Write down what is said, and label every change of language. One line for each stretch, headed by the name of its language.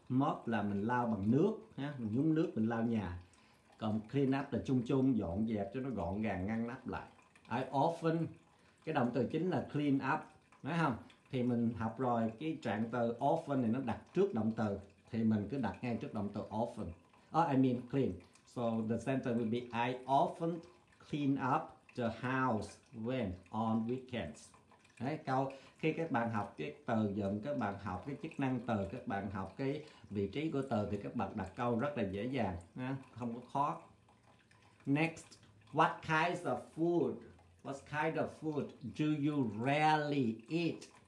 Vietnamese: Mop là mình lau bằng nước, mình nhúng nước mình lau nhà. Còn clean up là chung chung, dọn dẹp cho nó gọn gàng, ngăn nắp lại.
English: I often,
Vietnamese: cái động từ chính là clean up, phải không? Thì mình học rồi, cái trạng từ often này nó đặt trước động từ, thì mình cứ đặt ngay trước động từ often.
English: I mean clean. So the sentence will be I often clean up the house when on weekends.
Vietnamese: Đấy, câu khi các bạn học cái từ dựng, các bạn học cái chức năng từ, các bạn học cái vị trí của từ thì các bạn đặt câu rất là dễ dàng, không có khó.
English: Next, what kinds of food? What kind of food do you rarely eat?